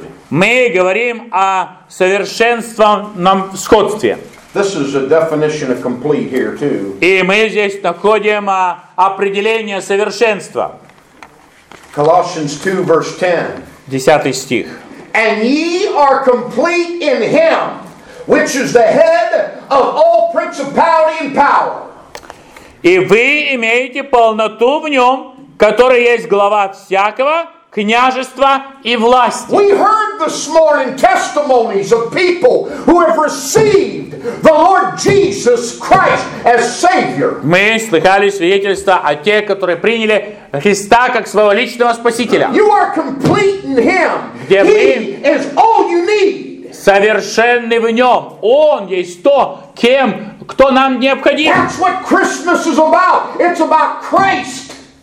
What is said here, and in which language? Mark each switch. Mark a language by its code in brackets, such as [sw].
[ru] Мы говорим о совершенственном сходстве. [en] This is a definition of complete here too. [ru] И мы здесь находим определение совершенства. [en] Colossians 2, verse 10. [ru] 10 стих. [en] And ye are complete in him, which is the head of all principality and power. [ru] И вы имеете полноту в нем, который есть глава всякого княжества и власти. [en] We heard this morning testimonies of people who have received the Lord Jesus Christ as Savior. [ru] Мы слыхали свидетельства о тех, которые приняли Христа как своего личного спасителя. [en] You are complete in Him. [ru] Где [en] He is all you need. [ru] Совершенный в Нем. Он есть то, кем, кто нам необходим. [en] That's what Christmas is about. It's about Christ.